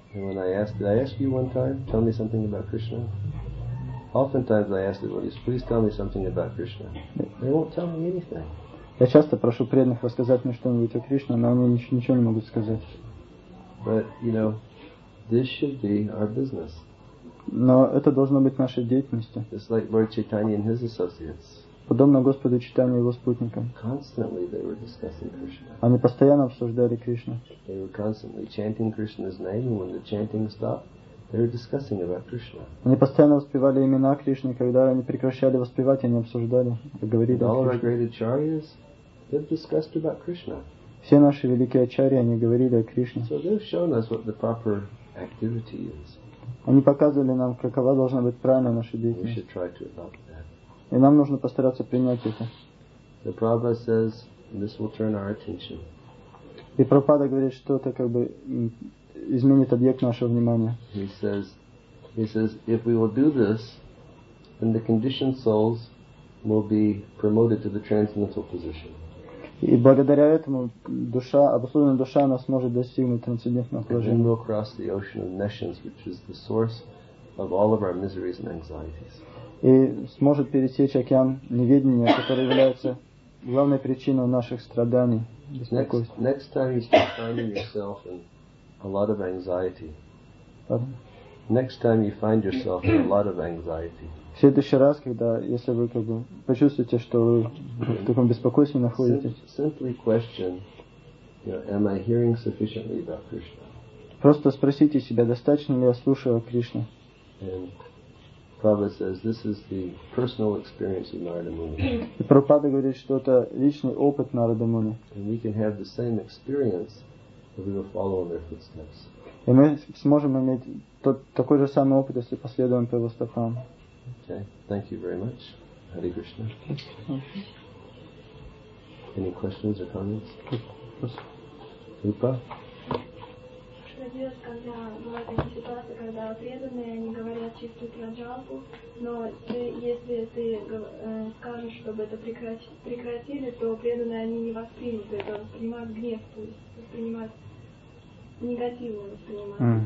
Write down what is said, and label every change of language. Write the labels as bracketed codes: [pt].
[en] And when I ask, did I ask you one time, tell me something about Krishna? Oftentimes I ask devotees, please tell me something about Krishna. They won't tell me anything. [ru] Я часто прошу преданных рассказать мне что-нибудь о Кришне, но они ничего не могут сказать. [en] But you know, this should be our business. [ru] Но это должно быть нашей деятельностью. [en] It's like Lord Chaitanya and his associates. [ru] Подобно Господу Чайтанье и его спутникам. [en] Constantly they were discussing Krishna. [ru] Они постоянно обсуждали Кришну. [en] They were constantly chanting Krishna's name, and when the chanting stopped, they were discussing about Krishna. [ru] Они постоянно воспевали имена Кришны, когда они прекращали воспевать, они обсуждали, говорили о Кришне. [en] All our great acharyas, they've discussed about Krishna. [ru] Все наши великие ачарьи, они говорили о Кришне. [en] So they've shown us what the proper activity is. [ru] Они показывали нам, какова должна быть правильная наша деятельность. И нам нужно постараться принять это. [en] The Prabhupada says this will turn our attention. [ru] И Прабхупада говорит, что это как бы изменит объект нашего внимания. [en] He says, if we will do this, then the conditioned souls will be promoted to the transcendental position. [ru] И благодаря этому душа, обусловленная душа, она сможет достигнуть трансцендентного положения. [en] And we will cross the ocean of nations, which is the source of all of our miseries and anxieties. [ru] И сможет пересечь океан неведения, который является главной причиной наших страданий. [en] Next time you start finding yourself in a lot of anxiety. Pardon? Next time you find yourself in a lot of anxiety. [ru] В следующий раз, когда если вы как бы почувствуете, что вы в таком беспокойстве находитесь, [en] simply question, you know, am I hearing sufficiently about Krishna? [ru] Просто спросите себя, достаточно ли я слушаю о Кришне. [en] Prabhupada says this is the personal experience of Narada Muni. [ru] И Прабхупада говорит, что это личный опыт Нарада Муни. [en] And we can have the same experience if we will follow in their footsteps. [ru] И мы сможем иметь такой же самый опыт, если последуем по его стопам. [en] Okay, thank you very much. Hare Krishna. Any questions or comments? Rupa? [ru] Когда бывают такие ситуации, когда преданные, они говорят чистую праджапу, но если ты скажешь, чтобы это прекратили, то преданные они не воспримут это, воспринимают гнев, то есть воспринимают негативу, воспринимают.